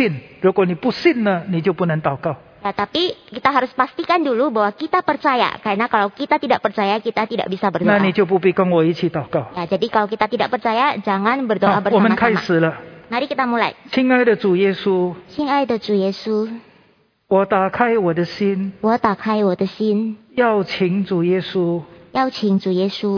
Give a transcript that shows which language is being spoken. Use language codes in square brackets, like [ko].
[zh] 但是你前面要先说你要信，如果你不信呢，你就不能祷告。 [id] Ya, tapi kita harus pastikan dulu bahwa kita percaya. Karena kalau kita tidak percaya, kita tidak bisa berdoa. [zh] 那你就不必跟我一起祷告。 [id] Ya, jadi kalau kita tidak percaya, jangan berdoa bersama-sama. [zh] 我们开始了。 [id] Mari kita mulai. [zh] 亲爱的主耶稣。亲爱的主耶稣。我打开我的心。我打开我的心。邀请主耶稣。邀请主耶稣。